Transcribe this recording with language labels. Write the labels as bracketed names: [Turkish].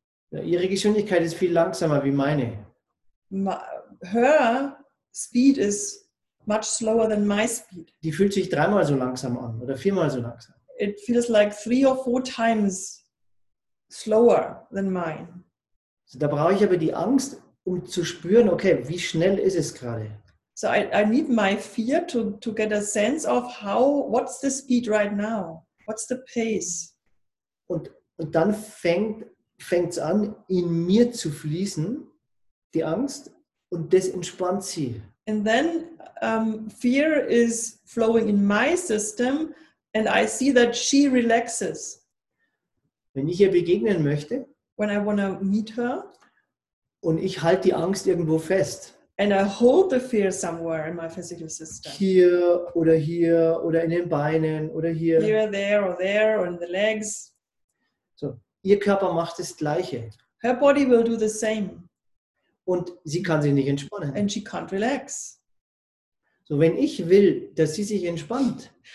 [German] Ja, ihre Geschwindigkeit ist viel langsamer wie meine. [English] Her speed is much slower than my speed. [German] Die fühlt sich dreimal so langsam an oder viermal so langsam. [English] It feels like 3 or 4 times slower than mine. [German] So, da brauche ich aber die Angst, um zu spüren, okay, wie schnell ist es gerade? [English] So I need my fear to get a sense of how, what's the speed right now? What's the pace? [German] Und dann fängt's an, in mir zu fließen, die Angst, und das entspannt sie. [English] And then fear is flowing in my system and I see that she relaxes. [German] Wenn ich ihr begegnen möchte, [English] when I wanna meet her, [German] und ich halte die Angst irgendwo fest, [English] and I hold the fear somewhere in my physical system, [German] hier oder hier oder in den Beinen oder hier, [English] here, there or in the legs, [German] so ihr Körper macht das Gleiche, [English] her body will do the same, [German] und sie kann sich nicht entspannen, [English] and she can't relax. [German] So wenn ich will, dass sie sich entspannt,